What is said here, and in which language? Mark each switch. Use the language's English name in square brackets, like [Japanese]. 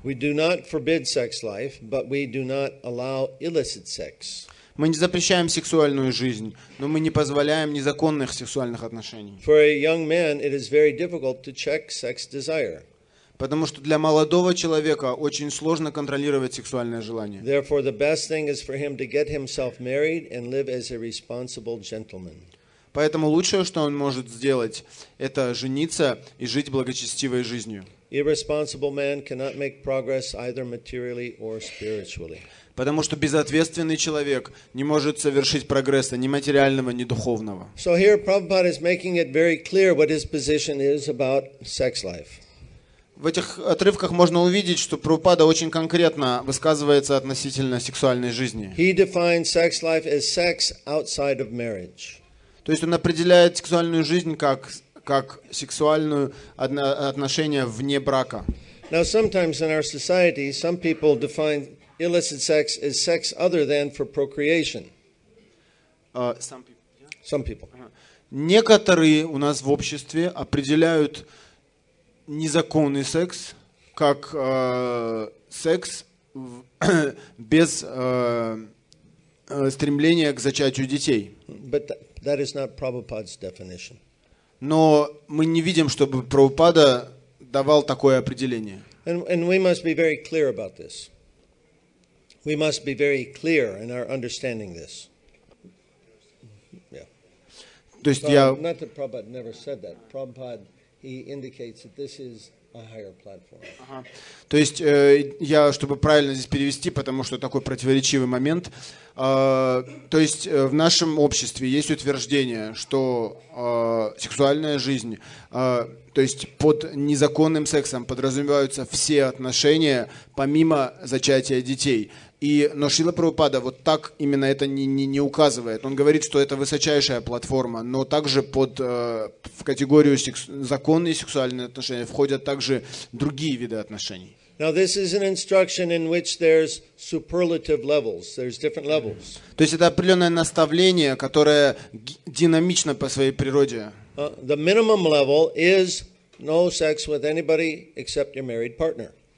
[English] We do not forbid sex life, but we do not allow illicit sex. [Russian] Мы не запрещаем сексуальную жизнь, но мы не позволяем незаконных сексуальных отношений. [English] For a young man, it is very difficult to check sex desire. [Russian] Потому что для молодого человека очень сложно контролировать сексуальное желание. [English] Therefore, the best thing is for him to get himself married and live as a responsible gentleman. [Russian] Поэтому лучшее, что он может сделать, это жениться и жить благочестивой жизнью. [English] Irresponsible man cannot make progress either materially or spiritually. [Russian] Потому что безответственный человек не может совершить прогресса ни материального, ни духовного. [English] So here Prabhupada is making it very clear what his position is about sex life. [Russian] В этих отрывках можно увидеть, что Прабхупада очень конкретно высказывается относительно сексуальной жизни. [English] He defines sex life as sex outside of marriage. [Russian] То есть он определяет сексуальную жизнь как сексуальное отношение вне брака. [English] Now sometimes in our society some people define illicit sex as sex other than for procreation. Some people. [Russian] Некоторые у нас в обществе определяют незаконный секс как секс без стремления к зачатию детей. [English] But that is not Prabhupada's definition. [Russian] Но мы не видим, чтобы Прабхупада давал такое определение. [English] And we must be very clear about this. We must be very clear in our understanding this. Yeah. [Russian] То есть [English] not that Prabhupada never said that. Prabhupada, he indicates that this is a higher platform. [Russian] То есть я, чтобы правильно здесь перевести, потому что такой противоречивый момент. То есть в нашем обществе есть утверждение, что сексуальная жизнь, то есть под незаконным сексом подразумеваются все отношения, помимо зачатия детей. Но Шрила Прабхупада вот так именно это не указывает. Он говорит, что это высочайшая платформа, но также в категорию законные сексуальные отношения входят также другие виды отношений. [English] Now this is an instruction in which there's superlative levels. There's different levels. [Russian] То есть это определенное наставление, которое динамично по своей природе. [English] The minimum level is no sex with anybody except your married partner.